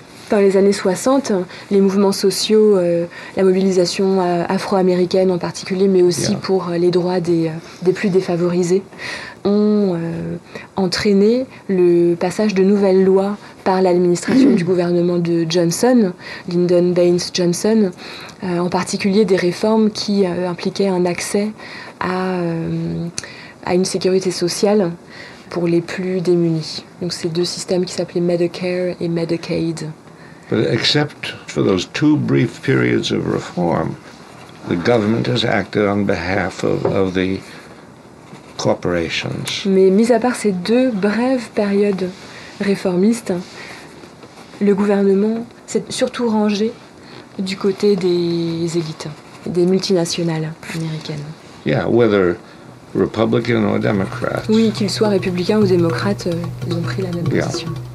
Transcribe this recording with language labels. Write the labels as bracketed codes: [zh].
[fr] Dans les années 60, les mouvements sociaux, la mobilisation afro-américaine en particulier, mais aussi pour les droits des plus défavorisés, ont entraîné le passage de nouvelles lois par l'administration du gouvernement de Johnson, Lyndon Baines Johnson, en particulier des réformes qui impliquaient un accès à une sécurité sociale pour les plus démunis. Donc ces deux systèmes qui s'appelaient Medicare et Medicaid. [en] But except for those two brief periods of reform, the government has acted on behalf of the corporations. [fr] Mais mis à part ces deux brèves périodes réformistes, le gouvernement s'est surtout rangé du côté des élites, des multinationales américaines. [en] Yeah, whether Republican or Democrat. [fr] Oui, qu'ils soient républicains ou démocrates, ils ont pris la même position.